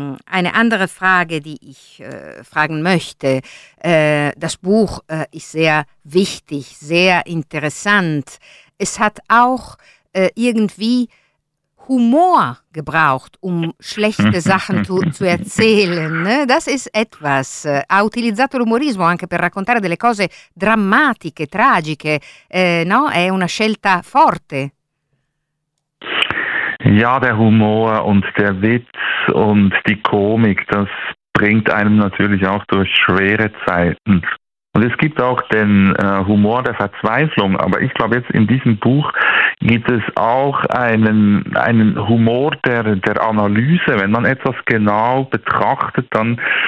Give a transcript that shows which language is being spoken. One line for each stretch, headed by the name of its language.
German: Eine andere Frage, die ich fragen möchte. Das Buch ist sehr wichtig, sehr interessant. Es hat auch irgendwie Humor gebraucht, um schlechte Sachen zu erzählen. Das ist etwas.
Italian: Ha utilizzato l'umorismo anche per raccontare delle cose drammatiche, tragiche. No? È una scelta forte.
German: Ja, der Humor und der Witz und die Komik, das bringt einem natürlich auch durch schwere Zeiten. Und es gibt auch den Humor der Verzweiflung, aber ich glaube jetzt in diesem Buch gibt es auch einen Humor der Analyse. Wenn man etwas genau betrachtet, dann